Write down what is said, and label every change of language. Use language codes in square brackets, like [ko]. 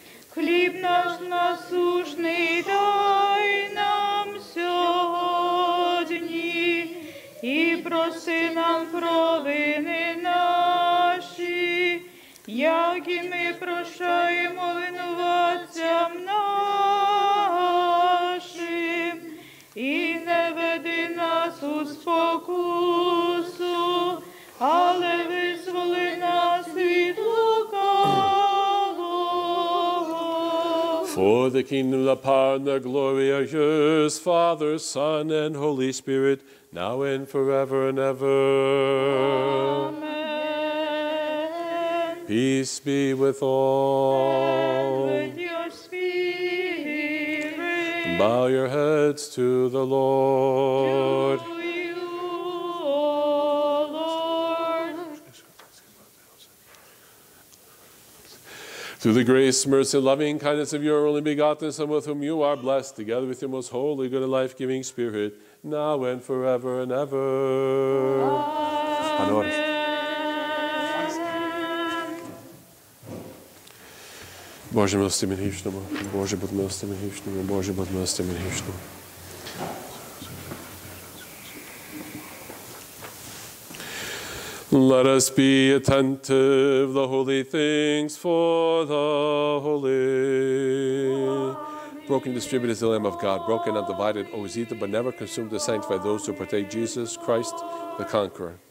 [uk] хліб наш насущний дай нам сьогодні, і прости нам провини наші, як і ми прощаємо винуватцям нашим, і не веди нас у спокусу, але визволи нас від лукавого. [en] For the kingdom, the power, and the glory are yours, Father, Son, and Holy Spirit, now and forever and ever. Amen. Peace be with all. And with your spirit. Bow your heads to the Lord. To you, O Lord. Through the grace, mercy, loving kindness of your only begotten Son, with whom you are blessed, together with your most holy, good, and life-giving Spirit, now and forever and ever. Amen. [uk] Боже, милости мені гічному. Боже, будь милости мені гічному. Боже, будь милости мені гічному. [en] Let us be attentive to the holy things for the holy. broken, distributed is the Lamb of God, broken, undivided, always eaten, but never consumed, to sanctify those who partake Jesus Christ, the Conqueror.